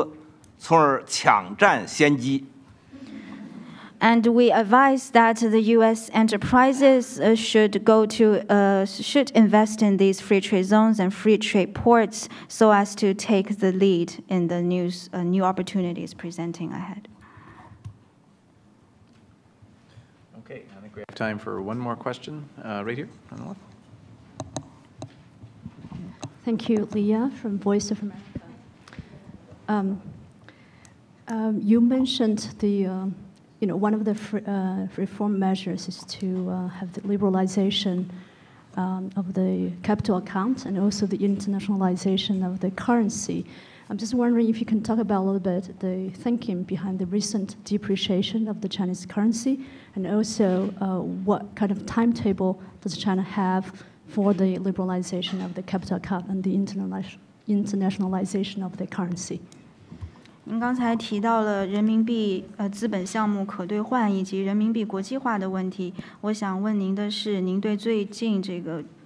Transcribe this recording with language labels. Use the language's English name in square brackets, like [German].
[Chinese] 我们欢迎美国的企业，包括你们的金融类的企业，到我们的自由贸易园区和自由港域区去投资，从而抢占先机。 [English] And we advise that the U.S. enterprises should go to should invest in these free trade zones and free trade ports so as to take the lead in the new opportunities presenting ahead. Time for one more question, right here, on the left. Thank you, Leah from Voice of America. You mentioned the, one of the reform measures is to have the liberalization of the capital account and also the internationalization of the currency. I'm just wondering if you can talk about a little bit the thinking behind the recent depreciation of the Chinese currency, and also what kind of timetable does China have for the liberalization of the capital account and the internationalization of the currency? [Chinese] 您刚才提到了人民币资本项目可兑换以及人民币国际化的问题，我想问您的是，您对最近这个